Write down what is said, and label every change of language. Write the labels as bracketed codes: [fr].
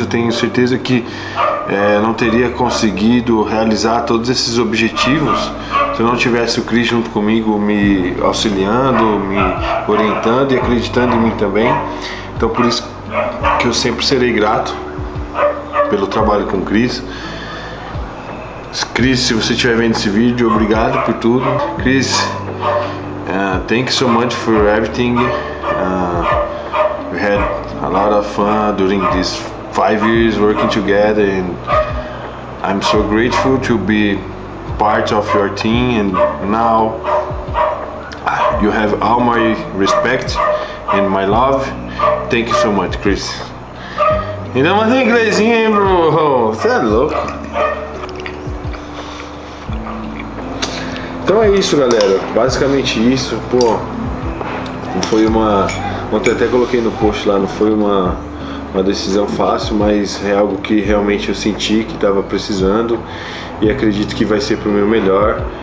[pt] Eu tenho certeza que não teria conseguido realizar todos esses objetivos se eu não tivesse o Cris junto comigo, me auxiliando, me orientando e acreditando em mim também. Então, por isso que eu sempre serei grato pelo trabalho com o Cris. Cris, se você estiver vendo esse vídeo, obrigado por tudo. [en] Cris, thank you so much for everything. We had a lot of fun during these 5 years working together, and I'm so grateful to be part of your team. And now you have all my respect and my love. Thank you so much, Cris. [pt] Ainda mais em inglês, hein, bro? Você é louco. Então é isso, galera. Basicamente isso. Pô, não foi uma. Ontem até coloquei no post lá, não foi uma decisão fácil, mas é algo que realmente eu senti que estava precisando e acredito que vai ser pro meu melhor.